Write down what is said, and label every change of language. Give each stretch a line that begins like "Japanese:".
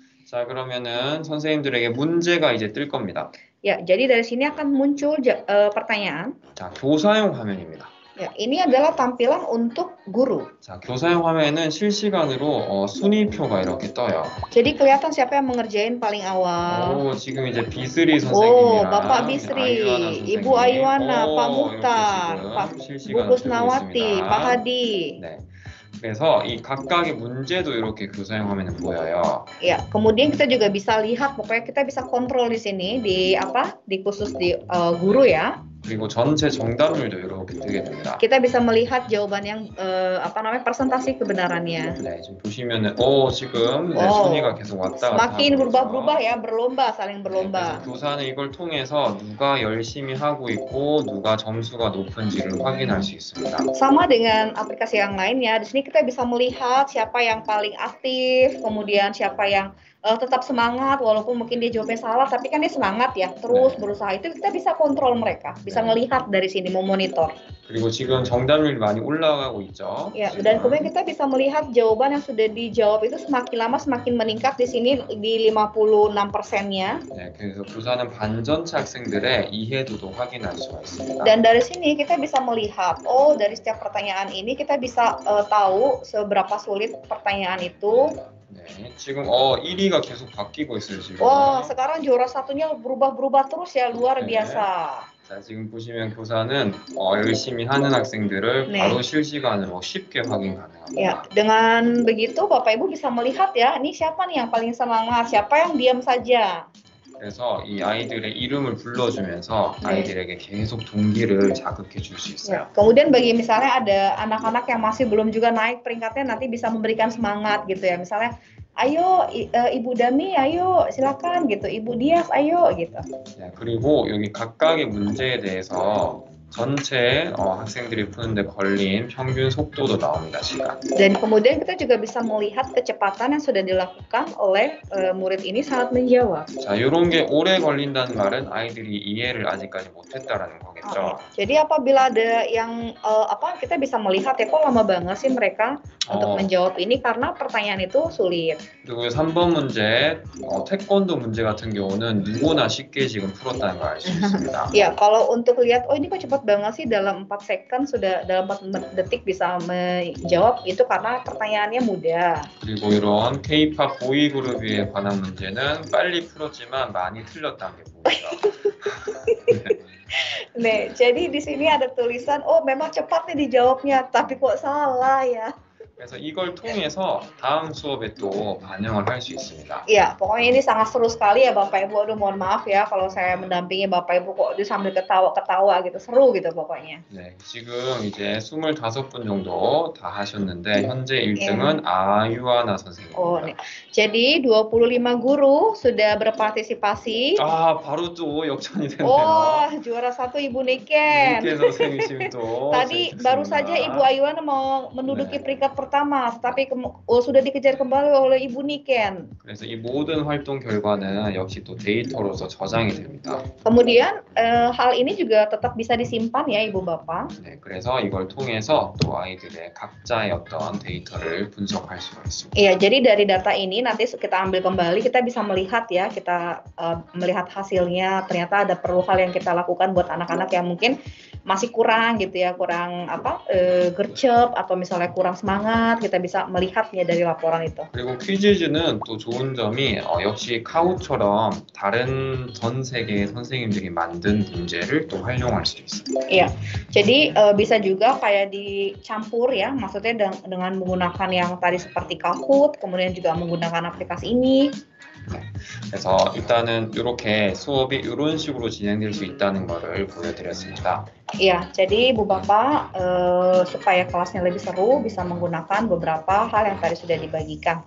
Korean: 자, 그러면은 선생님들에게 문제가 이제 뜰 겁니다.
Indonesian: 야, jadi dari sini akan muncul pertanyaan.
Korean: 자, 교사용 화면입니다.
Indonesian: 야, ini adalah tampilan untuk guru.
Korean: 자, 교사용 화면에는 실시간으로 순위표가 이렇게 떠요.
Indonesian: Jadi kelihatan siapa yang mengerjain paling awal.
Korean: 오, 지금 이제 비스리 선생님이랑
Indonesian: 오, Bapak Bisri, Ibu Ayuana, Pak Muhtar, Pak Bukusnawati, Pak Hadi.
Korean: 네. 그래서 이 각각의 문제도 이렇게 교사용 화면에 보여요.
Indonesian: 야, yeah, kemudian kita juga bisa lihat pokoknya kita bisa kontrol di sini di apa? di khusus di guru ya.
Korean: 그리고 전체 정답률도 이렇게 뜨게 됩니다.
Indonesian: Kita bisa melihat jawaban yang apa namanya? persentase kebenarannya.
Korean: 네, 지금 보시면은 오, 지금 네, 순위가 계속 왔다 갔다.
Indonesian: 막힌 berubah-ubah ya, berlomba, saling berlomba. 네,
Korean: 교사는 이걸 통해서 누가 열심히 하고 있고 누가 점수가 높은지를 확인할 수 있습니다.
Indonesian: Sama dengan aplikasi yang lainnya. Di sini kita bisa melihat siapa yang paling aktif, kemudian siapa yang tetap semangat walaupun mungkin dia jawabnya salah tapi kan dia semangat ya terus 네. berusaha itu kita bisa kontrol mereka bisa 네. melihat dari sini mau monitor
Korean: 그리고 지금 정답률 많이 올라가고 있죠
Indonesian: ya yeah, dan kemudian kita bisa melihat jawaban yang sudah dijawab itu semakin lama semakin meningkat di sini di 56%nya
Korean: 네 그래서 교사는 반 전체 학생들의 이해도도 확인할 수 있습니다
Indonesian: dan dari sini kita bisa melihat oh dari setiap pertanyaan ini kita bisa tahu seberapa sulit pertanyaan itu
Korean: 네, 지금 1위가 계속 바뀌고 있어요 지금.
Indonesian: 와, sekarang juara satunya berubah-ubah terus ya, luar biasa.
Korean: 네. 자, 지금 보시면 교사는 열심히 하는 학생들을 네. 바로 실시간으로 쉽게 확인 가능합니다.
Indonesian: Ya, dengan begitu Bapak Ibu bisa melihat ya, ini siapa nih yang paling semangat, siapa yang diam saja.
Korean: 그래서 이 아이들의 이름을 불러주면서 네. 아이들에게 계속 동기를 자극해 줄 수 있어요. 네.
Indonesian: Kemudian bagi misalnya ada anak-anak yang masih belum juga naik peringkatnya nanti bisa memberikan semangat gitu ya. Misalnya, ayo Ibu Dami, ayo silakan gitu. Ibu Dias, ayo gitu.
Korean: 네. 그리고 여기 각각의 문제에 대해서 전체 학생들이 푸는데 걸린 평균 속도도 나옵니다, 시간.
Indonesian: Dan kemudian kita juga bisa melihat kecepatan yang sudah dilakukan oleh murid ini saat menjawab.
Korean: 자, 이런 게 오래 걸린다는 말은 아이들이 이해를 아직까지 못했다라는 거겠죠. 아,
Indonesian: jadi apabila ada yang apa kita bisa melihat ya kok lama banget sih mereka untuk menjawab ini karena pertanyaan itu sulit.
Korean: 그리고 3번 문제, 태권도 문제 같은 경우는 누구나 쉽게 지금 풀었다는 걸 알 수 있습니다.
Indonesian: 야, yeah, kalau untuk lihat, oh ini kok cepat banget sih dalam 4 second sudah dalam 4 detik bisa menjawab itu karena pertanyaannya mudah.
Korean: 그리고 이런 K-pop boy group에 관한 문제는 빨리 풀었지만 많이 틀렸다는 게 보여요.
Indonesian: 네, 제디 di sini ada tulisan oh memang cepat nih dijawabnya tapi kok salah ya.
Korean: 그래서 이걸 통해서 다음 수업에 또 반영을 할 수 있습니다.
Indonesian: 야, yeah, pokoknya ini sangat seru sekali ya Bapak Ibu. Aduh, mohon maaf ya kalau saya mendampingi Bapak Ibu kok di sambil ketawa-ketawa gitu. Seru gitu pokoknya.
Korean: 네, 지금 이제 25분 정도 다 하셨는데 현재 1등은 yeah. 아유아나 선생님입니다.
Indonesian: Oh, 네. Jadi 25 guru sudah berpartisipasi.
Korean: 아, 바로 또 역전이 됐네요.
Indonesian: Oh, juara 1 Ibu Niken.
Korean: Niken 선생님 또.
Indonesian: Tadi baru saja Ibu Ayuana mau menduduki 네. peringkat pertama tapi sudah dikejar kembali oleh Ibu Niken.
Korean: 그래서 이 모든 활동 결과는 역시 또 데이터로서 저장이 됩니다.
Indonesian: Kemudian hal ini juga tetap bisa disimpan ya Ibu Bapak.
Korean: 네, 그래서 이걸 통해서 또 아이들의 각자의 어떤 데이터를 분석할 수가 있습니다.
Indonesian: Iya, jadi dari data ini nanti kita ambil kembali kita bisa melihat ya, kita melihat hasilnya ternyata ada perlu hal yang kita lakukan buat anak-anak yang mungkin masih kurang gitu ya, kurang apa? gercep atau misalnya kurang semangat kita bisa melihatnya dari laporan itu.
Korean: 그리고 퀴즈즈는 또 좋은 점이 역시 카우처럼 다른 전 세계 선생님들이 만든 문제를 또 활용할 수 있어요. 예. Yeah.
Indonesian: Jadi bisa juga kayak dicampur ya, maksudnya dengan menggunakan yang tadi seperti Kahoot, kemudian juga menggunakan aplikasi ini.
Korean: 그래서 일단은 이렇게 수업이 이런 식으로 진행될 수 있다는 거를 보여드렸습니다.
Indonesian: Iya, jadi Bu Bapak, supaya kelasnya lebih seru, bisa menggunakan beberapa hal yang tadi sudah dibagikan.